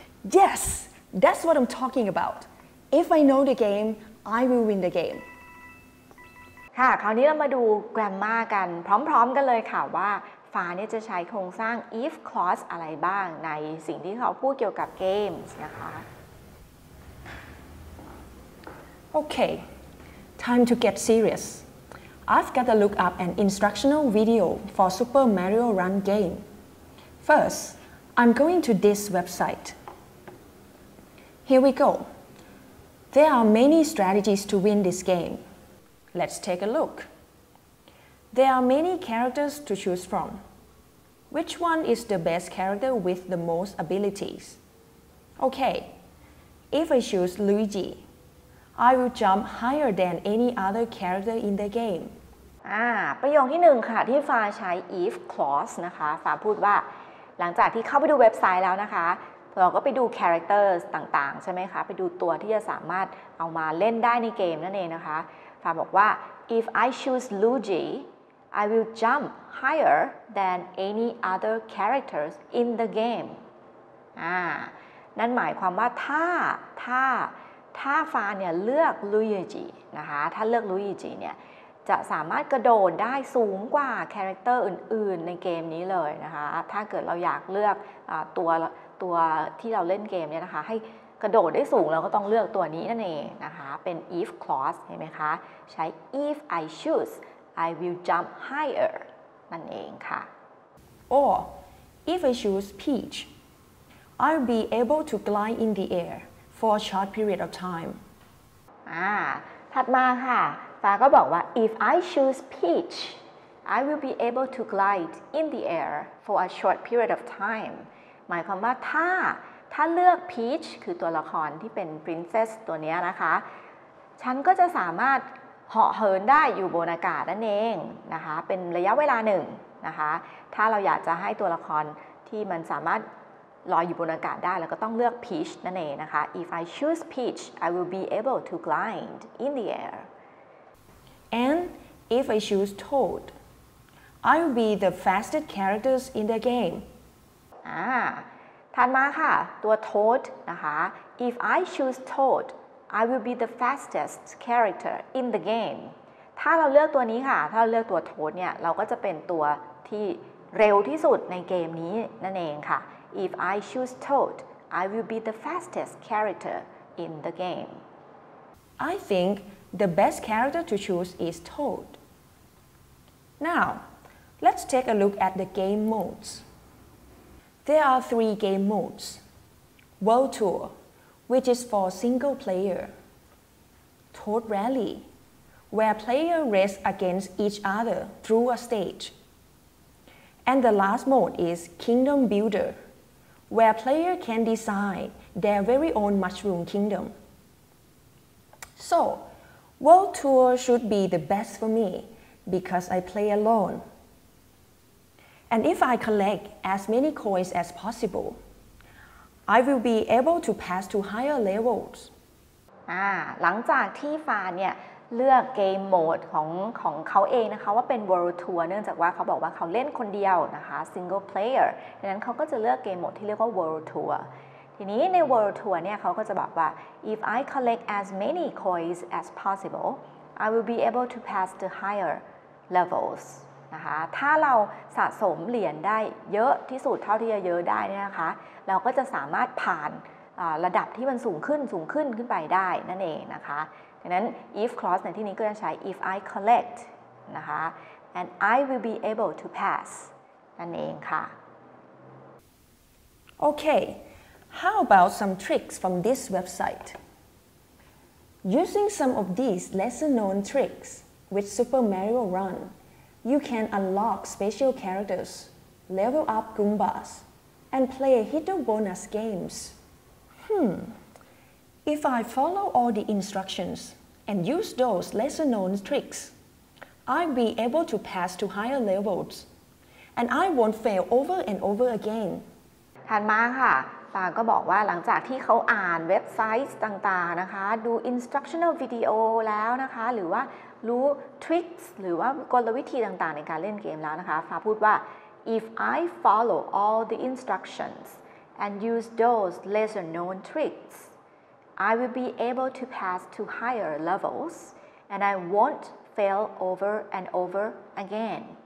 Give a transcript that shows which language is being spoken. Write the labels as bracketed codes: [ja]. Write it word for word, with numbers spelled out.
[en] Yes, that's what I'm talking about. If I know the game,I will win the game. [th] ค่ะคราวนี้เรามาดูแกรมม่ากันพร้อมๆกันเลยค่ะว่าฟ้าเนี่ยจะใช้โครงสร้าง if clause อะไรบ้างในสิ่งที่เขาพูดเกี่ยวกับเกมนะคะ [en] Okay, time to get serious. I've got to look up an instructional video for Super Mario Run game. First, I'm going to this website. Here we go. There are many strategies to win this game. Let's take a look. There are many characters to choose from. Which one is the best character with the most abilities? Okay, if I choose Luigi, I will jump higher than any other character in the game. [th] อ่าประโยคที่หนึ่งค่ะที่ฟ้าใช้ if clause นะคะฟ้าพูดว่าหลังจากที่เข้าไปดูเว็บไซต์แล้วนะคะเราก็ไปดู characters ต่างๆใช่ไหมคะไปดูตัวที่จะสามารถเอามาเล่นได้ในเกมนั่นเองนะคะฟ้าบอกว่า [en] if I choose Luigi I will jump higher than any other characters in the game [th] อ่านั่นหมายความว่าถ้าถ้าถ้าฟ้าเนี่ยเลือก Luigi นะคะถ้าเลือก Luigi เนี่ยจะสามารถกระโดดได้สูงกว่า character อื่นๆในเกมนี้เลยนะคะถ้าเกิดเราอยากเลือกตัวตัวที่เราเล่นเกมเนี่ยนะคะให้กระโดดได้สูงเราก็ต้องเลือกตัวนี้นั่นเองนะคะเป็น if clause เห็นไหมคะใช้ [en] if I choose I will jump higher [th] นั่นเองค่ะ [en] or if I choose Peach I'll be able to glide in the air for a short period of time [th] อ่าถัดมาค่ะ ฟ้าก็บอกว่า [en] if I choose peach I will be able to glide in the air for a short period of time [th] หมายความว่าถ้าถ้าเลือก peach คือตัวละครที่เป็น princess ตัวเนี้ยนะคะฉันก็จะสามารถเหาะเหินได้อยู่บนอากาศนั่นเองนะคะเป็นระยะเวลาหนึ่งนะคะถ้าเราอยากจะให้ตัวละครที่มันสามารถลอยอยู่บนอากาศได้แล้วก็ต้องเลือก peach นั่นเองนะคะ [en] if I choose peach I will be able to glide in the air and if I choose toad I will be the fastest characters in the game [th] อ่าถัดมาค่ะตัว toad นะคะ [en] if I choose toad I will be the fastest character in the game [th] ถ้าเราเลือกตัวนี้ค่ะถ้าเราเลือกตัว toad เนี่ยเราก็จะเป็นตัวที่เร็วที่สุดในเกมนี้นั่นเองค่ะ if I choose toad I will be the fastest character in the game [en] I think the best character to choose is toad Now let's take a look at the game modes There are three game modes World Tour which is for single player Toad Rally where players race against each other through a stage And the last mode is Kingdom Builder, where player can design their very own mushroom kingdom. So, World Tour should be the best for me because I play alone. And if I collect as many coins as possible, I will be able to pass to higher levels. [th] อ่าหลังจากที่ฟ้าเนี่ยเลือกเกมโหมดของของเขาเองนะคะว่าเป็น World Tour เนื่องจากว่าเขาบอกว่าเขาเล่นคนเดียวนะคะ Single Player ดังนั้นเขาก็จะเลือกเกมโหมดที่เรียกว่า World Tour ทีนี้ใน World Tour เนี่ยเขาก็จะบอกว่า [en] if I collect as many coins as possible I will be able to pass to higher levels [th] นะคะถ้าเราสะสมเหรียญได้เยอะที่สุดเท่าที่จะเยอะได้เนี่ยนะคะเราก็จะสามารถผ่าน ระดับที่มันสูงขึ้นสูงขึ้นขึ้นไปได้นั่นเองนะคะดังนั้น if clause ในที่นี้ก็จะใช้ [en] if I collect [th] นะคะ [en] and I will be able to pass [th] นั่นเองค่ะ [en] Okay, how about some tricks from this website? Using some of these lesser-known tricks with Super Mario Run, you can unlock special characters, level up Goombas, and play hidden bonus games. Hmm. If I follow all the instructions and use those lesser-known tricks, I'll be able to pass to higher levels, and I won't fail over and over again. [th] ถัดมาค่ะฟ้าก็บอกว่าหลังจากที่เขาอ่านเว็บไซต์ต่างๆนะคะดู instructional video แล้วนะคะหรือว่ารู้ tricks หรือว่ากลวิธีต่างๆในการเล่นเกมแล้วนะคะฟ้าพูดว่า [en] if I follow all the instructions and use those lesser-known tricks,I will be able to pass to higher levels and I won't fail over and over again